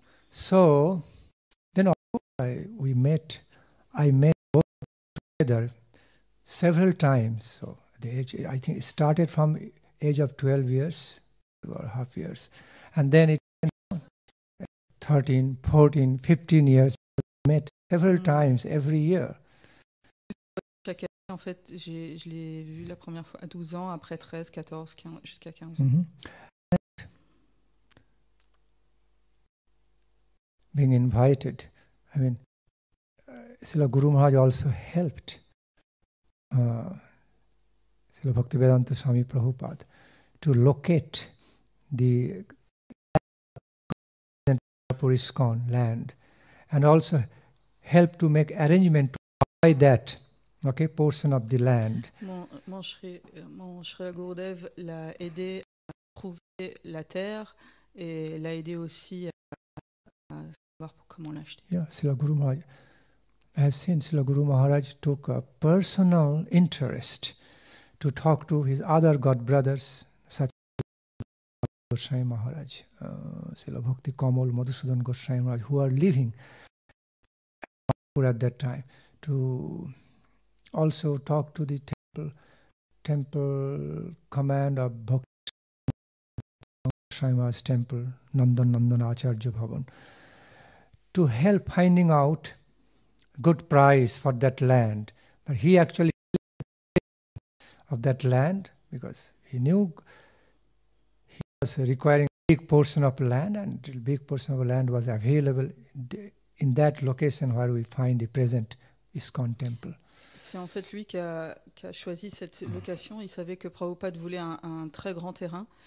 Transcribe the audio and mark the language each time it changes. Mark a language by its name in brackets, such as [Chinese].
[English] So then I met both together several times. So the age, I think it started from age of 12 years or half years, and then it 13, 14, 15 years, met several times every year. [French] Chaque année, en fait, je l'ai vu la première fois à 12 ans, après 13, 14, 15, jusqu'à 15 ans. [English] Being invited, I mean, Srila Guru Maharaj also helped Srila Bhaktivedanta Swami Prabhupada to locate the Kapur ISKCON land, and also helped to make arrangement to buy that portion of the land. [French] Mon Shri Gurudev l'a aidé à trouver la terre, et l'a aidé aussi à comment l'acheter. [English] Yeah, Srila Guru Maharaj. I have seen Srila Guru Maharaj took a personal interest to talk to his other god brothers, such as Goswami Maharaj, Srila Bhakti Kamal, Madhusudan Goswami Maharaj, who are living at that time, to also talk to the temple command of Bhakti Maharaj's temple, Nandan Nandan Acharya Bhavan, to help finding out good price for that land. But he actually of that land, because he knew he was requiring a big portion of land, and a big portion of land was available in that location where we find the present ISKCON temple. [French] C'est en fait lui qui a choisi cette location. Il savait que Prabhupada voulait un très grand terrain.